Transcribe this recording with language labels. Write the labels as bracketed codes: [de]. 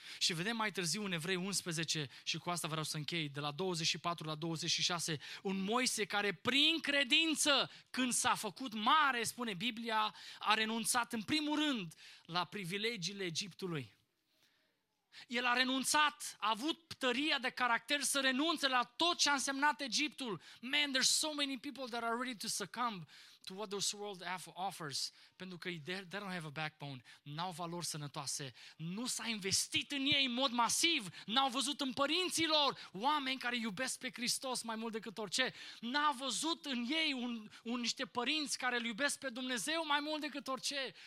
[ro] Și vedem mai târziu în Evrei 11, și cu asta vreau să închei, de la 24 la 26, un Moise care prin credință, când s-a făcut mare, spune Biblia, a renunțat în primul rând la privilegiile Egiptului. El a renunțat, a avut tăria de caracter să renunțe la tot ce a însemnat Egiptul. [en] Man, there's so many people that are ready to succumb to what this world offers. [ro] Pentru că [en] they don't have a backbone, [ro] n-au valori sănătoase, nu s-a investit în ei în mod masiv, n-au văzut în părinții lor oameni care iubesc pe Hristos mai mult decât orice, n-au văzut în ei niște părinți care îl iubesc pe Dumnezeu mai mult decât orice.